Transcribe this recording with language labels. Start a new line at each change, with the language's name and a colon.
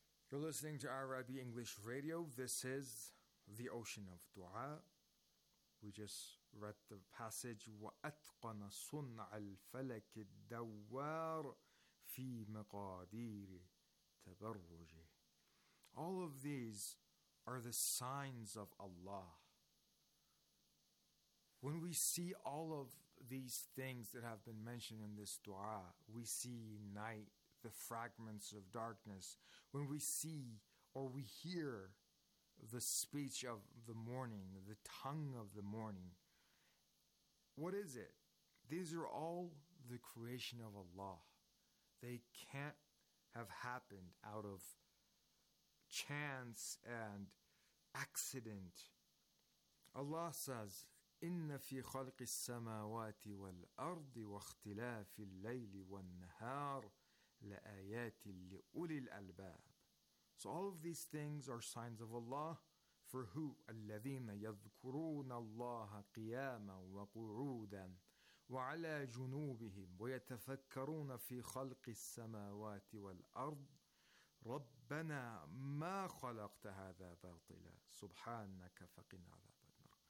English: You're listening to RIB English Radio. This is The Ocean of Dua. We just read the passage,
Arabic: وَأَتْقَنَ صُنْعَ الْفَلَكِ الدَّوَّارِ فِي مَقَادِيرِ تَبَرُّجِ.
English: All of these are the signs of Allah. When we see all of these things that have been mentioned in this dua, we see night, the fragments of darkness. When we see or we hear the speech of the morning, the tongue of the morning, what is it? These are all the creation of Allah. They can't have happened out of chance and accident. Allah says,
Arabic: إِنَّ فِي خَلْقِ السَّمَاوَاتِ وَالْأَرْضِ وَاخْتِلَافِ اللَّيْلِ وَالنَّهَارِ لَآيَاتٍ لِأُولِي الْأَلْبَابِ.
English: So all of these things are signs of Allah. For who?
Arabic: الَّذِينَ يَذْكُرُونَ اللَّهَ قِيَامًا وَقُعُودًا وَعَلَى جُنُوبِهِمْ وَيَتَفَكَّرُونَ فِي خَلْقِ السَّمَاوَاتِ وَالْأَرْضِ رَبَّنَا مَا خَلَقْتَ هَذَا بَاطِلًا سُبْحَانَكَ فَقِنَا عَذَابًا.